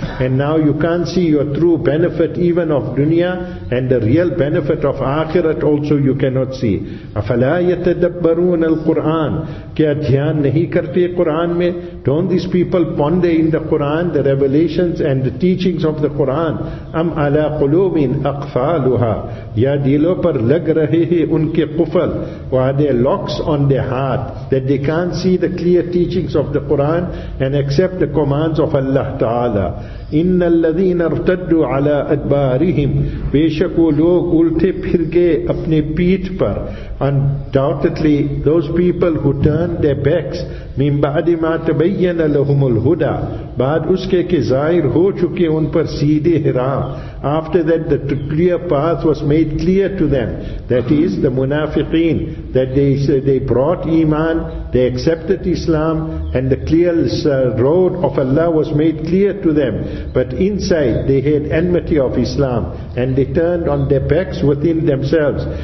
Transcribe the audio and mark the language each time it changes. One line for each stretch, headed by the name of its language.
English: And now you can't see your true benefit even of dunya, and the real benefit of akhirat also you cannot see.
Arabic: أَفَلَا يَتَدَبَّرُونَ الْقُرْآنَ.
Urdu: کیا دھیان نہیں کرتے قرآن میں؟
English: Don't these people ponder in the Quran, the revelations and the teachings of the Quran?
Arabic: أَمْ عَلَى قُلُوبٍ أَقْفَالُهَا.
Urdu: یا دلوں پر لگ رہے ہیں ان کے قفل.
English: Or are there locks on their heart that they can't see the clear teachings of the Quran and accept the commands of Allah Ta'ala?
Arabic: إِنَّ الَّذِينَ ارْتَدُّوا عَلَىٰ أَدْبَارِهِمْ.
Urdu: بے شک وہ لوگ الٹے پھر گئے اپنے پیٹھ پر.
English: Undoubtedly, those people who turned their backs,
Arabic: مِن بَعْدِ مَا تَبَيَّنَ لَهُمُ الْهُدَىٰ.
Urdu: بعد اس کے کہ ظاہر ہو چکے ان پر سیدھے راہ.
English: After that, the clear path was made clear to them. That is, the munafiqeen, that they brought Iman, they accepted Islam, and the clear road of Allah was made clear to them. But inside they had enmity of Islam, and they turned on their backs within themselves.